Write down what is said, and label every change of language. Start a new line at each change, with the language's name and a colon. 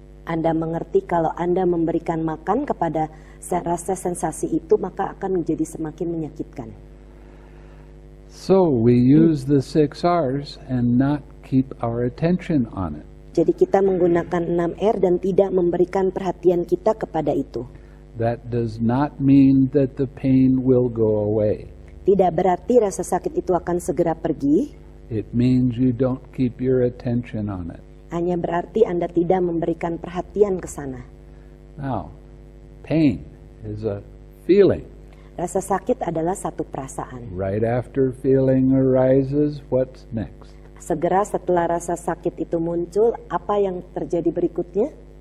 Indonesian: Anda mengerti kalau Anda memberikan makan kepada rasa sensasi itu, maka akan menjadi semakin menyakitkan.
English: So we use the six R's and not keep our attention on it.
Indonesian: Jadi kita menggunakan 6 R dan tidak memberikan perhatian kita kepada itu.
English: That does not mean that the pain will go away.
Indonesian: Tidak berarti rasa sakit itu akan segera pergi.
English: It means you don't keep your attention on it.
Indonesian: Hanya berarti Anda tidak memberikan perhatian ke sana.
English: Now, pain is a feeling.
Indonesian: Rasa sakit adalah satu perasaan.
English: Right after feeling arises, what's next?
Indonesian: Segera setelah rasa sakit itu muncul, apa yang terjadi berikutnya?